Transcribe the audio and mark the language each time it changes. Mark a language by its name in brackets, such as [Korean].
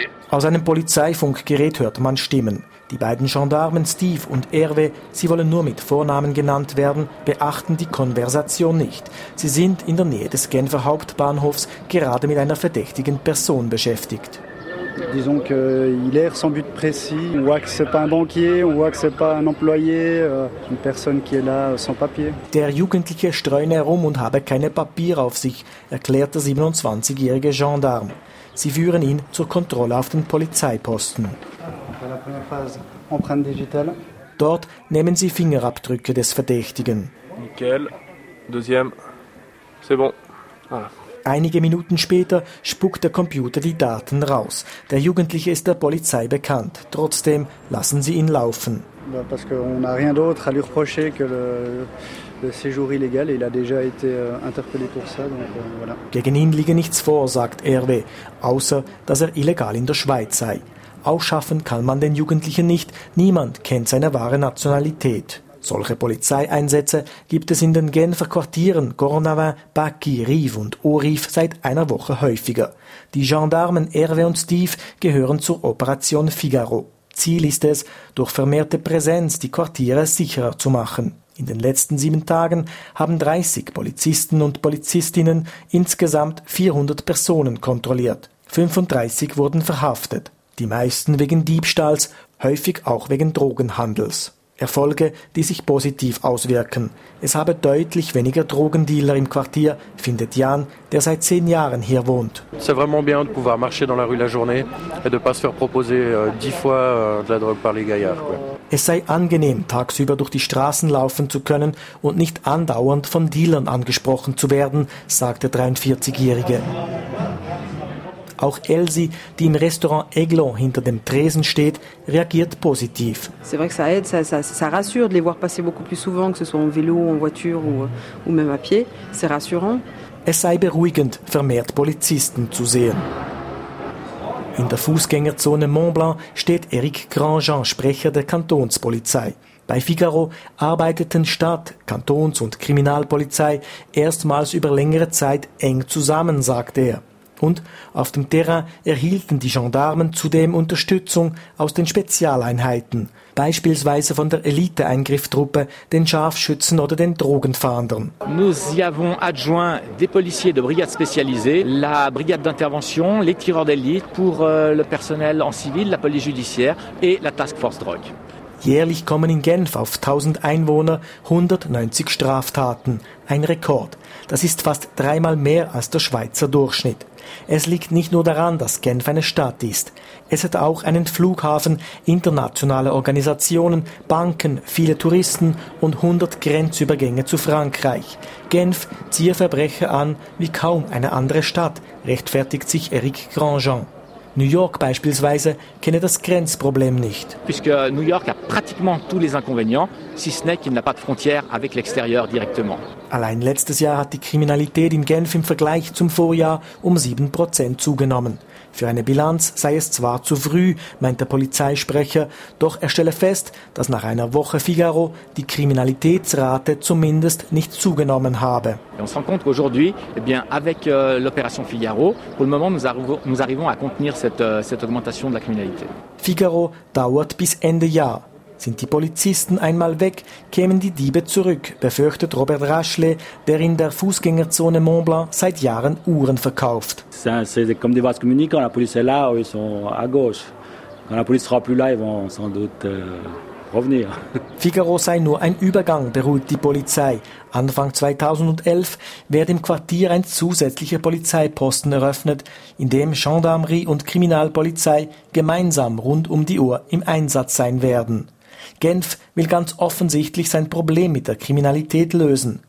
[German] Aus einem Polizeifunkgerät hört man Stimmen. Die beiden Gendarmen Steve und Hervé, sie wollen nur mit Vornamen genannt werden, beachten die Konversation nicht. Sie sind in der Nähe des Genfer Hauptbahnhofs gerade mit einer verdächtigen Person beschäftigt. [French] Disons que il erre sans but précis. On voit que c'est pas un banquier, on voit que c'est pas un employé, une personne qui est là sans papier. [German] Der Jugendliche streune herum und habe keine Papiere auf sich, erklärt der 27-jährige Gendarm. Sie führen ihn zur Kontrolle auf den Polizeiposten. [French] La première phase, empreinte digitale. [German] Dort nehmen sie Fingerabdrücke des Verdächtigen. [French] Nickel. Deuxième. C'est bon. Voilà. [German] Einige Minuten später spuckt der Computer die Daten raus. Der Jugendliche ist der Polizei bekannt. Trotzdem lassen sie ihn laufen. [French] Parce qu'on a rien d'autre à lui reprocher que le séjour illégal. Il a déjà été interpellé pour ça. Donc voilà. [German] Gegen ihn liege nichts vor, sagt Hervé, außer dass er illegal in der Schweiz sei. Ausschaffen kann man den Jugendlichen nicht. Niemand kennt seine wahre Nationalität. Solche Polizeieinsätze gibt es in den Genfer Quartieren Gornavin, Baki, Rive und Orif seit einer Woche häufiger. Die Gendarmen Hervé und Steve gehören zur Operation Figaro. Ziel ist es, durch vermehrte Präsenz die Quartiere sicherer zu machen. In den letzten 7 Tagen haben 30 Polizisten und Polizistinnen insgesamt 400 Personen kontrolliert. 35 wurden verhaftet, die meisten wegen Diebstahls, häufig auch wegen Drogenhandels. Erfolge, die sich positiv auswirken. Es habe deutlich weniger Drogendealer im Quartier, findet Jan, der seit 10 Jahren hier wohnt. [French] C'est vraiment bien de pouvoir marcher dans la rue la journée et de pas se faire proposer 10 fois de la drogue par les gaillards, quoi. [German] Es sei angenehm, tagsüber durch die Straßen laufen zu können und nicht andauernd von Dealern angesprochen zu werden, sagt der 43-Jährige. Auch Elsie, die im Restaurant Aiglon hinter dem Tresen steht, reagiert positiv. [French] C'est vrai que ça aide, ça rassure de les voir passer beaucoup plus souvent, que ce soit en vélo, en voiture ou même à pied. C'est rassurant. [German] Es sei beruhigend, vermehrt Polizisten zu sehen. In der Fußgängerzone Mont Blanc steht Eric Grandjean, Sprecher der Kantonspolizei. Bei Figaro arbeiteten Stadt, Kantons- und Kriminalpolizei erstmals über längere Zeit eng zusammen, sagt er. Und auf dem Terrain erhielten die Gendarmen zudem Unterstützung aus den Spezialeinheiten, beispielsweise von der Elite-Eingrifftruppe, den Scharfschützen oder den Drogenfahndern. [French] Nous y avons adjoint des policiers de brigades spécialisées, la brigade d'intervention, les tireurs d'élite pour le personnel en civil, la police judiciaire et la task force drogue. [German] Jährlich kommen in Genf auf 1000 Einwohner 190 Straftaten, ein Rekord. Das ist fast 3-mal mehr als der Schweizer Durchschnitt. Es liegt nicht nur daran, dass Genf eine Stadt ist. Es hat auch einen Flughafen, internationale Organisationen, Banken, viele Touristen und 100 Grenzübergänge zu Frankreich. Genf zieht Verbrecher an wie kaum eine andere Stadt, rechtfertigt sich Eric Grandjean. New York beispielsweise kenne das Grenzproblem nicht. [French] Puisque New York a pratiquement tous les inconvénients, si ce n'est qu'il n'a pas de frontière avec l'extérieur directement. [German] Allein letztes Jahr hat die Kriminalität in Genf im Vergleich zum Vorjahr um 7% zugenommen. Für eine Bilanz sei es zwar zu früh, meint der Polizeisprecher, doch er stelle fest, dass nach einer Woche Figaro die Kriminalitätsrate zumindest nicht zugenommen habe. [French] Et on se rend compte qu'aujourd'hui, eh bien, avec l'opération Figaro, pour le moment, nous arrivons à contenir cette augmentation de la criminalité. [German] Figaro dauert bis Ende Jahr. Sind die Polizisten einmal weg, kämen die Diebe zurück, befürchtet Robert Rachelet, der in der Fußgängerzone Mont Blanc seit Jahren Uhren verkauft. [French] C'est comme des vases communicants, quand la police est là, ils sont à gauche. Quand la police sera plus là, ils vont sans doute revenir. [German] Figaro sei nur ein Übergang, beruhigt die Polizei. Anfang 2011 werde im Quartier ein zusätzlicher Polizeiposten eröffnet, in dem Gendarmerie und Kriminalpolizei gemeinsam rund um die Uhr im Einsatz sein werden. Genf will ganz offensichtlich sein Problem mit der Kriminalität lösen.